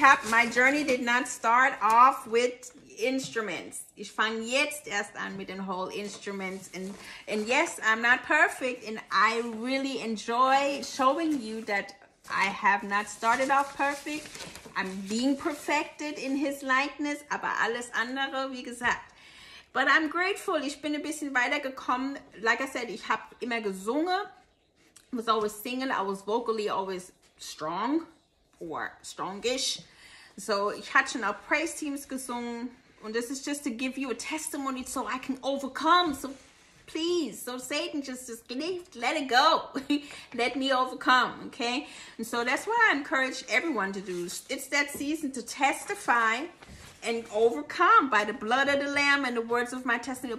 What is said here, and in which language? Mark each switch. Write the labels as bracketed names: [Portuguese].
[English] My journey did not start off with instruments. [German] Ich fange jetzt erst an mit den [English] whole instruments. And yes, I'm not perfect. And I really enjoy showing you that I have not started off perfect. I'm being perfected in his likeness. [German] Aber alles andere, wie gesagt. [English] But I'm grateful. [German] Ich bin ein bisschen weitergekommen. [English] Like I said, [German] ich habe immer gesungen. [English] I was always singing. I was vocally always strong or strongish. [German] So, ich hatte schon auch Praise Teams gesungen. [English] Und this is just to give you a testimony so I can overcome. So, please. So, Satan, just leave, let it go. Let me overcome, okay? And so, that's what I encourage everyone to do. It's that season to testify and overcome by the blood of the Lamb and the words of my testimony.